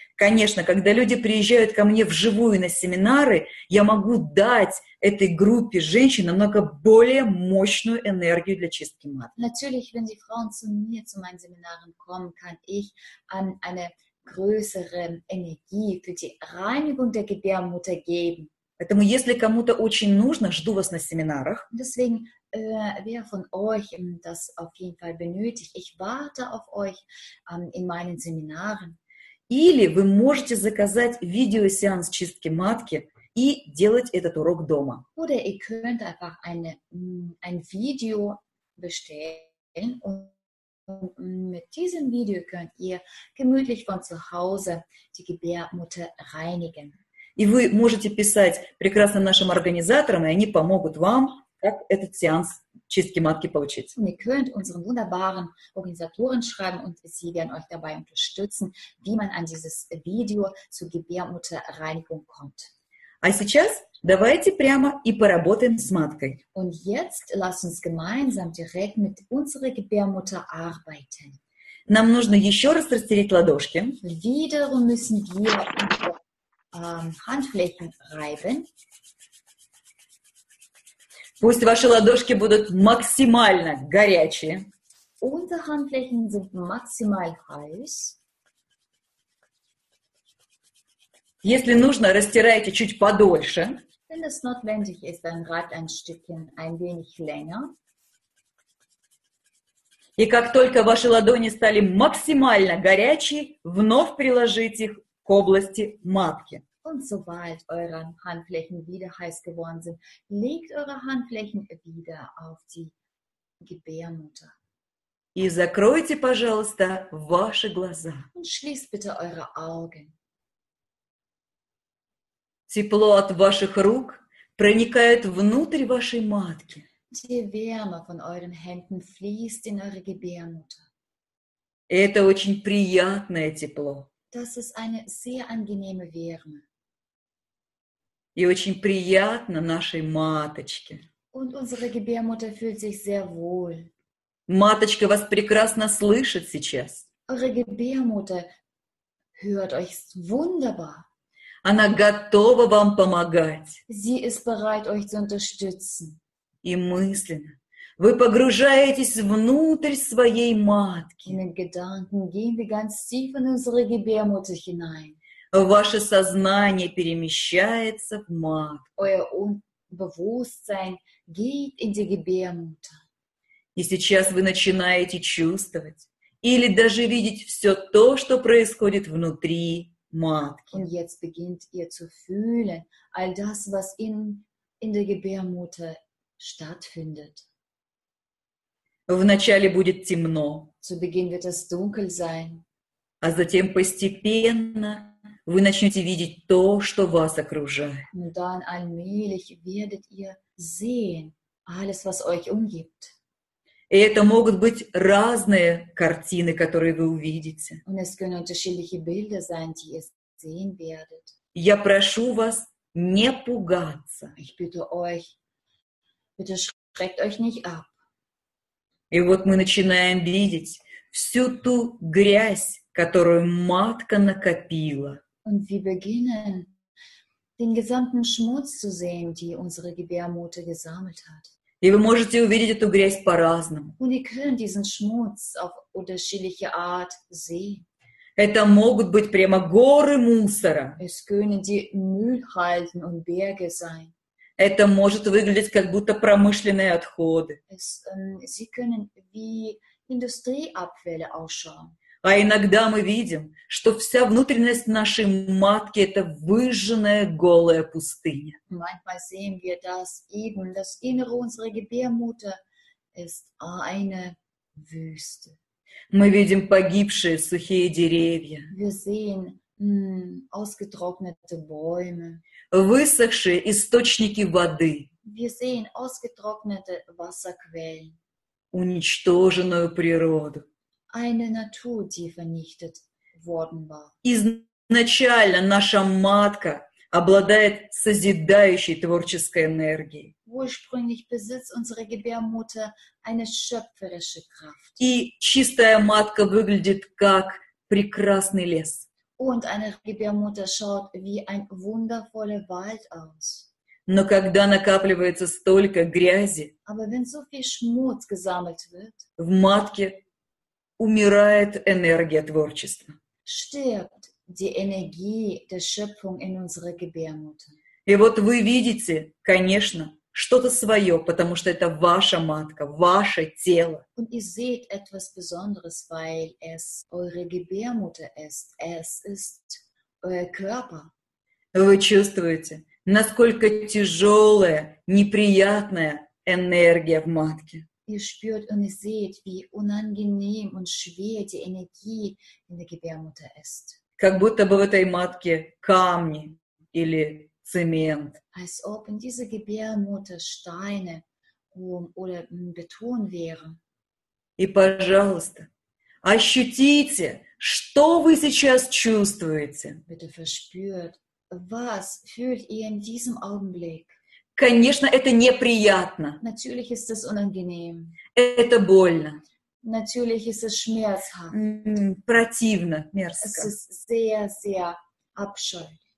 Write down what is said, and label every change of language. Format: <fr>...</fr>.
<ru>Конечно, когда люди приезжают ко мне вживую на семинары, я могу дать этой группе женщин намного более мощную энергию для чистки матки.</ru> <de>Natürlich, wenn die Frauen zu mir, zu meinen Seminaren kommen, kann ich eine größere Energie für die Reinigung der Gebärmutter geben.</de> <ru>Поэтому, если кому-то очень нужно, жду вас на семинарах.</ru> <de>Deswegen, wer von euch das auf jeden Fall benötigt, ich warte auf euch in meinen Seminaren.</de> <ru>Или вы можете заказать видеосеанс чистки матки и делать этот урок дома.</ru> <de>Oder ihr könnt einfach ein Video bestellen und mit diesem Video könnt ihr gemütlich von zu Hause die Gebärmutter reinigen.</de> <ru>И вы можете писать прекрасным нашим организаторам, и они помогут вам, как этот сеанс чистки матки получить. Вы можете нашим</ru> <de>wunderbaren Organisatoren schreiben, und sie werden euch dabei unterstützen, wie man an dieses Video zur Gebärmutterreinigung kommt.</de> <ru>А сейчас давайте прямо и поработаем с маткой.</ru> <de>Und jetzt lasst uns gemeinsam direkt mit unserer Gebärmutter arbeiten.</de> <ru>Нам нужно еще раз растереть ладошки.</ru> <de>Wiederum müssen wir Handflächen reiben.</de> <ru>Пусть ваши ладошки будут максимально горячие.</ru> <de>Unsere Handflächen sind maximal heiß.</de> <ru>Если нужно, растирайте чуть подольше.</ru> <de>Wenn es notwendig ist, dann reibt ein Stückchen ein wenig länger.</de> <ru>И как только ваши ладони стали максимально горячие, вновь приложите их к области матки.</ru> <de>Und sobald eure Handflächen wieder heiß geworden sind, legt eure Handflächen wieder auf die Gebärmutter.</de> <ru>И закройте, пожалуйста, ваши глаза.</ru> <de>Und schließt bitte eure Augen.</de> <ru>Тепло от ваших рук проникает внутрь вашей матки.</ru> <de>Die Wärme von euren Händen fließt in eure Gebärmutter.</de> <ru>Это очень приятное тепло.</ru> <de>Das ist eine sehr angenehme Wärme.</de> <ru>И очень приятно нашей маточке.</ru> <de>Und unsere Gebärmutter fühlt sich sehr wohl.</de> <ru>Маточка вас прекрасно слышит сейчас.</ru> <de>Eure Gebärmutter hört euch wunderbar.</de> <ru>Она готова вам помогать.</ru> <de>Sie ist bereit, euch zu unterstützen.</de> <ru>И мысленно вы погружаетесь внутрь своей матки.</ru> <de>In den Gedanken gehen wir ganz tief in unsere Gebärmutter hinein.</de> <ru>Ваше сознание перемещается в матку.</ru> <de>Euer Unbewusstsein geht in die Gebärmutter.</de> <ru>И сейчас вы начинаете чувствовать или даже видеть все то, что происходит внутри матки.</ru> <de>Und jetzt beginnt ihr zu fühlen all das, was in der Gebärmutter stattfindet.</de> <ru>Вначале будет темно.</ru> <de>Zu Beginn wird es dunkel sein.</de> <ru>А затем постепенно вы начнете видеть то, что вас окружает.</ru> <de>Und dann allmählich werdet ihr sehen alles, was euch umgibt.</de> <ru>И это могут быть разные картины, которые вы увидите.</ru> <de>Und es können unterschiedliche Bilder sein, die ihr sehen werdet.</de> <ru>Я прошу вас не пугаться.</ru> <de>Ich bitte euch, bitte schreckt euch nicht ab.</de> <ru>И вот мы начинаем видеть всю ту грязь, которую матка накопила.</ru> <de>Und wir beginnen, den gesamten Schmutz zu sehen, die unsere Gebärmutter gesammelt hat.</de> <ru>И вы можете увидеть эту грязь по-разному.</ru> <de>Und wir können diesen Schmutz auf unterschiedliche Art sehen.</de> <ru>Это могут быть прямо горы мусора.</ru> <de>Es können die Müllhalden und Berge sein.</de> <ru>Это может выглядеть как будто промышленные отходы.</ru> <de>Es, sie können wie Industrieabfälle ausschauen.</de> <ru>А иногда мы видим, что вся внутренность нашей матки — это выжженная голая пустыня.</ru> <de>Manchmal sehen wir, dass eben das Innere unserer Gebärmutter ist eine Wüste.</de> <ru>Мы видим погибшие сухие деревья.</ru> <de>Wir sehen ausgetrocknete Bäume.</de> <ru>Высохшие источники воды.</ru> <de>Wir sehen ausgetrocknete Wasserquellen.</de> <ru>Уничтоженную природу.</ru> <de>Eine Natur, die vernichtet worden war.</de> <ru>Изначально наша матка обладает созидающей творческой энергией.</ru> <de>Ursprünglich besitzt unsere Gebärmutter eine schöpferische Kraft.</de> <ru>И чистая матка выглядит как прекрасный лес.</ru> <de>Und eine Gebärmutter schaut wie ein wundervoller Wald aus.</de> <ru>Но когда накапливается столько грязи,</ru> <de>aber wenn so viel Schmutz gesammelt wird,</de> <ru>в матке умирает энергия творчества.</ru> <de>Stirbt die Energie der Schöpfung in unserer Gebärmutter.</de> <ru>И вот вы видите, конечно, что-то свое, потому что это ваша матка, ваше тело.</ru> <de>Und ihr seht etwas Besonderes, weil es eure Gebärmutter ist. Es ist euer Körper.</de> <ru>Вы чувствуете, насколько тяжелая, неприятная энергия в матке.</ru> <de>Ihr spürt und ihr seht, wie unangenehm und schwer die Energie in der Gebärmutter ist.</de> <ru>Как будто бы в этой матке камни или цемент.</ru> <de>Als ob in dieser Gebärmutter Steine oder Beton wären.</de> <ru>И пожалуйста, ощутите, что вы сейчас чувствуете.</ru> <de>Bitte verspürt, was fühlt ihr in diesem Augenblick?</de> <ru>Конечно, это неприятно.</ru> <de>Natürlich ist es unangenehm.</de> <ru>Это больно.</ru> <de>Natürlich ist es schmerzhaft.</de> <ru>Противно, мерзко.</ru> <de>Es ist sehr, sehr abscheulich.</de>